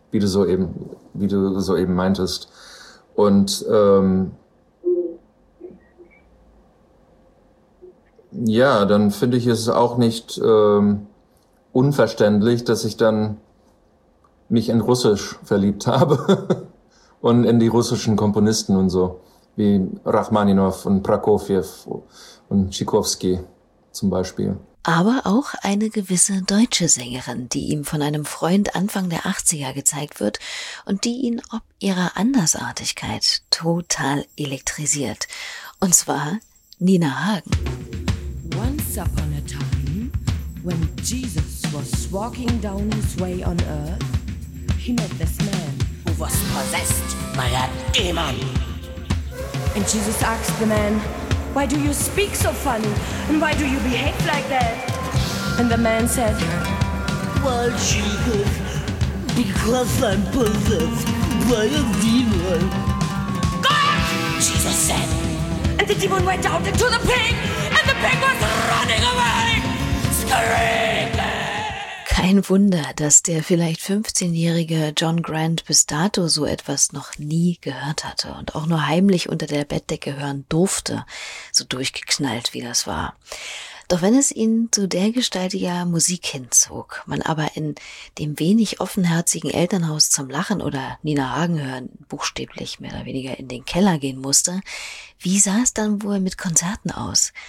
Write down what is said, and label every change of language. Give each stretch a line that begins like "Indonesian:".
German: Wie du so eben meintest. Und dann finde ich es auch nicht unverständlich, dass ich dann mich in Russisch verliebt habe und in die russischen Komponisten und so, wie Rachmaninow und Prokofjew und Tschaikowski zum Beispiel. aber auch eine gewisse deutsche Sängerin, die ihm von einem Freund Anfang der 80er gezeigt wird und die ihn ob ihrer Andersartigkeit total elektrisiert. Und zwar Nina Hagen.
English: Once upon a time, when Jesus was walking down his way on earth, he met this man who was possessed by a demon. And Jesus asked the man, why do you speak so funny? And why do you behave like that? And the man said, well, Jesus, because I'm possessed by a demon. Go out, Jesus said. And the demon went out into the pig, and the pig was running away, screaming.
German: Kein Wunder, dass der vielleicht 15-jährige John Grant bis dato so etwas noch nie gehört hatte und auch nur heimlich unter der Bettdecke hören durfte, so durchgeknallt wie das war. Doch wenn es ihn zu der Gestalt ja Musik hinzog, man aber in dem wenig offenherzigen Elternhaus zum Lachen oder Nina Hagen hören buchstäblich mehr oder weniger in den Keller gehen musste, wie sah es dann wohl mit Konzerten aus?